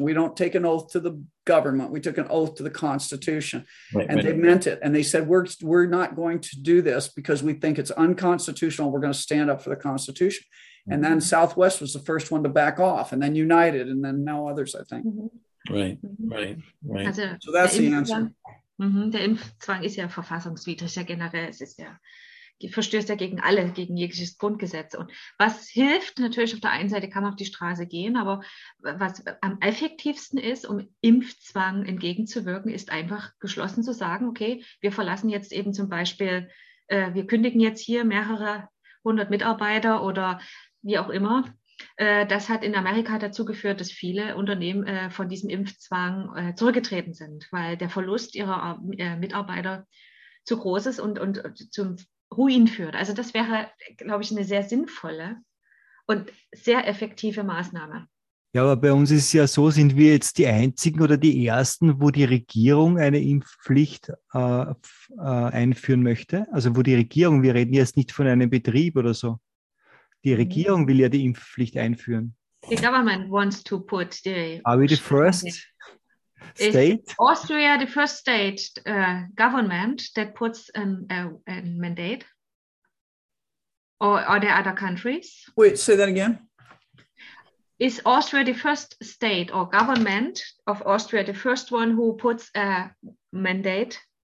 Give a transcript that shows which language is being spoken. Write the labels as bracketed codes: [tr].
[en] We don't take an oath to the government. We took an oath to the Constitution, they meant it. And they said, we're not going to do this because we think it's unconstitutional. We're going to stand up for the Constitution. Mm-hmm. And then Southwest was the first one to back off, and then United, and then now others, I think. Mm-hmm. Right. Also, so that's the answer. [de] Der Impfzwang ist ja verfassungswidrig, ja generell, es ist ja, verstößt ja gegen alle, gegen jegliches Grundgesetz. Und was hilft, natürlich auf der einen Seite kann man auf die Straße gehen, aber was am effektivsten ist, um Impfzwang entgegenzuwirken, ist einfach geschlossen zu sagen, okay, wir verlassen jetzt eben zum Beispiel, wir kündigen jetzt hier mehrere hundert Mitarbeiter oder wie auch immer. Das hat in Amerika dazu geführt, dass viele Unternehmen von diesem Impfzwang zurückgetreten sind, weil der Verlust ihrer Mitarbeiter zu groß ist und zum Ruin führt. Also das wäre, glaube ich, eine sehr sinnvolle und sehr effektive Maßnahme. Ja, aber bei uns ist es ja so, sind wir jetzt die Einzigen oder die Ersten, wo die Regierung eine Impfpflicht einführen möchte? Also wo die Regierung, wir reden jetzt nicht von einem Betrieb oder so. Die Regierung will ja die Impfpflicht einführen. [en] The government wants to put the... Are we the first state? Is Austria the first state government that puts a mandate? Or are there other countries? Wait, say that again. Is Austria the first state or government of Austria the first one who puts a mandate?